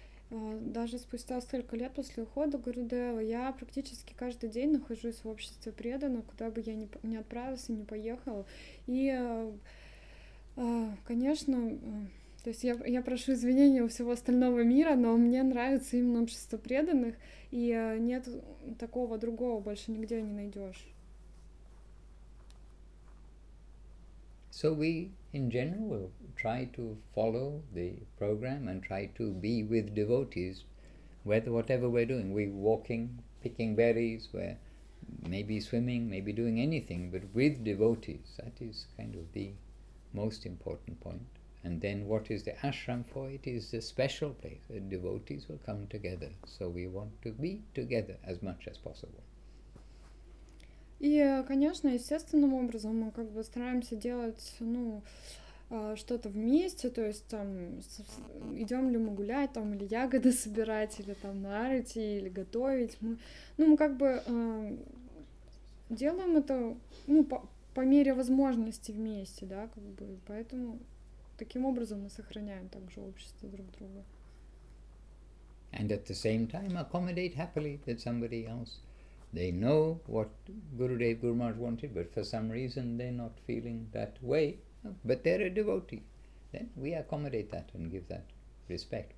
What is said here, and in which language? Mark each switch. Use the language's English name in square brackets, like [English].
[Russian] даже спустя столько лет после ухода Гурудева, я практически каждый день нахожусь в обществе преданных, куда бы я ни отправилась и ни поехала. И, конечно, то есть я прошу извинения у всего остального мира, но мне нравится именно общество преданных, и нет такого другого больше нигде не найдешь. [English] So we, in general, will try to follow the program and try to be with devotees, whatever we're doing. We're walking, picking berries, we're maybe swimming, maybe doing anything, but with devotees. That is kind of the most important point. And then what is the ashram for? It is a special place where devotees will come together. So we want to be together as much as possible. [Russian] И, конечно, естественным образом мы как бы стараемся делать, ну, что-то вместе, то есть там идем ли мы гулять, там, или ягоды собирать, или там нарыть, или готовить. Мы как бы делаем это, ну, по мере возможности вместе, да, как бы, поэтому таким образом мы сохраняем также общество друг друга. [English] And at the same time accommodate happily that somebody else. They know what Gurudev Guru Maharaj wanted, but for some reason they're not feeling that way. But they're a devotee. Then we accommodate that and give that respect.